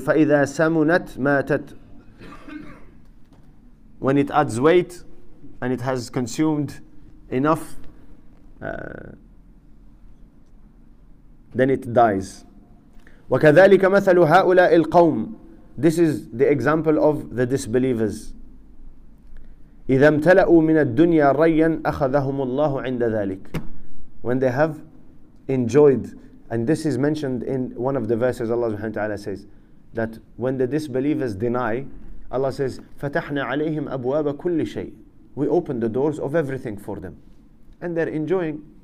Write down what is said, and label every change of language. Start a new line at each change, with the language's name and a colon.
Arabic: فَإِذَا سَمُنَتْ مَاتَتْ,
English: when it adds weight and it has consumed enough, then it dies.
Arabic: وكذلك مثل هؤلاء القوم.
English: This is the example of the disbelievers.
Arabic: إذا امتلأوا من الدنيا ريا أخذهم الله عند ذلك.
English: When they have enjoyed, and this is mentioned in one of the verses, Allah subhanahu wa ta'ala says that when the disbelievers deny, Allah says
Arabic: فتحنا عليهم أبواب كل شيء.
English: We open the doors of everything for them, and they're enjoying.